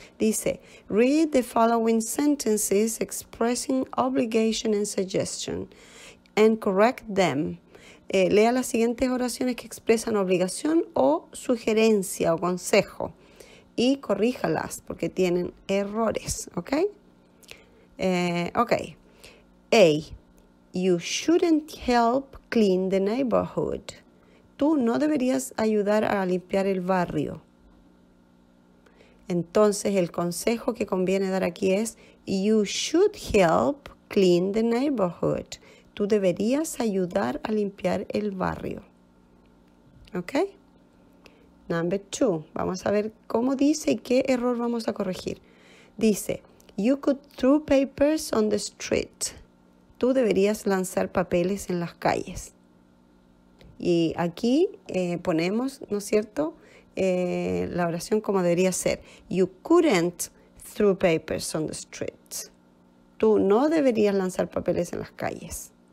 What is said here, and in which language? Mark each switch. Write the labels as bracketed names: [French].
[English] Dice, read the following sentences expressing obligation and suggestion and correct them. [Spanish] Lea las siguientes oraciones que expresan obligación o sugerencia o consejo y corríjalas porque tienen errores, ¿ok? [English] A. You shouldn't help clean the neighborhood. [Spanish] Tú no deberías ayudar a limpiar el barrio. Entonces, el consejo que conviene dar aquí es [English] you should help clean the neighborhood. [Spanish] Tú deberías ayudar a limpiar el barrio. ¿Ok? [English] Number two. [Spanish] Vamos a ver cómo dice y qué error vamos a corregir. [English] Dice, you could throw papers on the street. [Spanish] Tú deberías lanzar papeles en las calles. Y aquí ponemos, ¿no es cierto?, la oración como debería ser. [English] You couldn't throw papers on the street. [Spanish] Tú no deberías lanzar papeles en las calles.